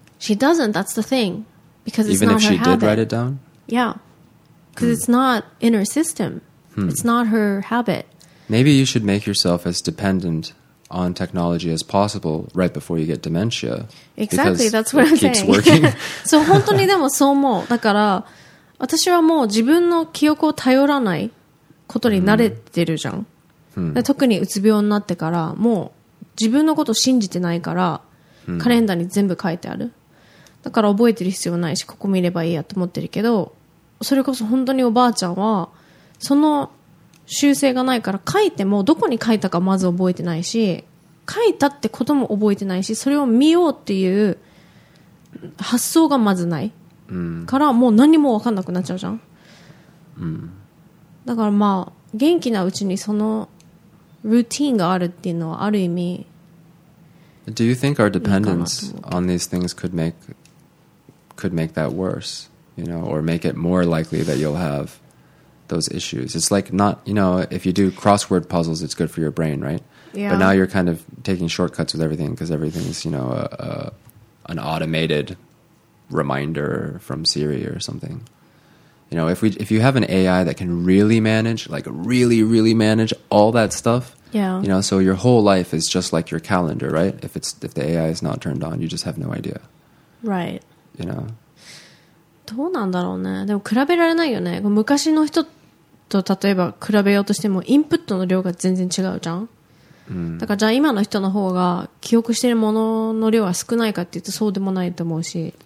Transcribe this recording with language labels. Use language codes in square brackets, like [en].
[en] She doesn't. That's the thing. Because it's not her habit. Even if she did write it down? Yeah. Because it's not in her system. Hmm. It's not her habit. Maybe you should make yourself as dependent on technology as possible right before you get dementia. Exactly, that's what I'm saying. Keeps working. [ja] そう、本当にでもそう思う。だから私はもう自分の記憶を頼らないことに慣れてるじゃん。で、特にうつ病になってからもう自分のこと信じてないから、カレンダーに全部書いてある。だから覚えてる必要ないし、ここ見ればいいやと思ってるけど、それこそ本当におばあちゃんはその修正がないから、書いてもどこに書いたかまず覚えてないし、書いたってことも覚えてないし、それを見ようっていう発想がまずない、からもう何も分かんなくなっちゃうじゃん、だからまあ元気なうちにそのルーティーンがあるっていうのはある意味いいか [en] Do you think our dependence on these things could make that worse, you know, or make it more likely that you'll haveThose issues. It's like not, you know, if you do crossword puzzles, it's good for your brain, right? Yeah. But now you're kind of taking shortcuts with everything because everything's, you know, an automated reminder from Siri or something. You know, if you have an AI that can really manage, like really, really manage all that stuff, yeah. You know, so your whole life is just like your calendar, right? If the AI is not turned on, you just have no idea. Right. You know? [ja] どうなんだろうね。でも比べられないよね。昔の人と例えば比べようとしてもインプットの量が全然違うじゃん、だからじゃあ今の人の方が記憶しているものの量は少ないかっていうとそうでもないと思うし。